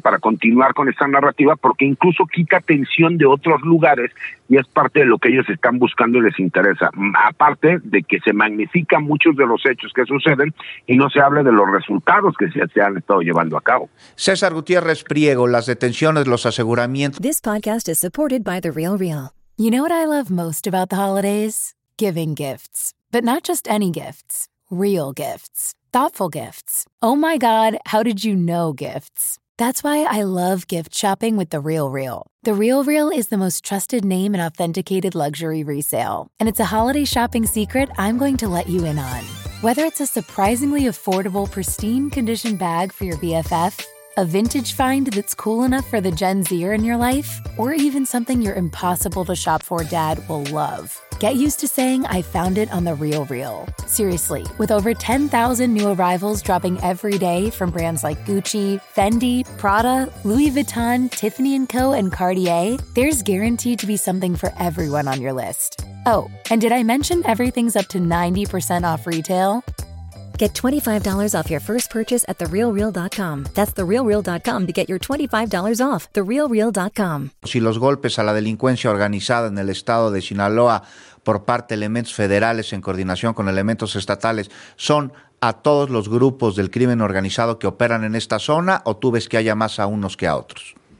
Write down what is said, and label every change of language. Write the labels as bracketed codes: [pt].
[es] Para continuar con esta narrativa, porque incluso quita atención de otros lugares, y es parte de lo que ellos están buscando y les interesa. Aparte de que se magnifican muchos de los hechos que suceden y no se habla de los resultados que se han estado llevando a cabo. César Gutiérrez Priego, las detenciones, los aseguramientos. [en] This podcast is supported by The Real Real. You know what I love most about the holidays? Giving gifts. But not just any gifts. Real gifts. Thoughtful gifts. Oh my God, how did you know gifts? That's why I love gift shopping with The Real Real. The Real Real is the most trusted name in authenticated luxury resale. And it's a holiday shopping secret I'm going to let you in on. Whether it's a surprisingly affordable, pristine condition bag for your BFF, a vintage find that's cool enough for the Gen Zer in your life, or even something your impossible to shop for dad will love. Get used to saying, I found it on The Real Real. Seriously, with over 10,000 new arrivals dropping every day from brands like Gucci, Fendi, Prada, Louis Vuitton, Tiffany & Co., and Cartier, there's guaranteed to be something for everyone on your list. Oh, and did I mention everything's up to 90% off retail? Get $25 off your first purchase at TheRealReal.com. That's TheRealReal.com to get your $25 off. TheRealReal.com. [es] Si los golpes a la delincuencia organizada en el estado de Sinaloa por parte de elementos federales en coordinación con elementos estatales son a todos los grupos del crimen organizado que operan en esta zona, ¿o tú ves que haya más a unos que a otros?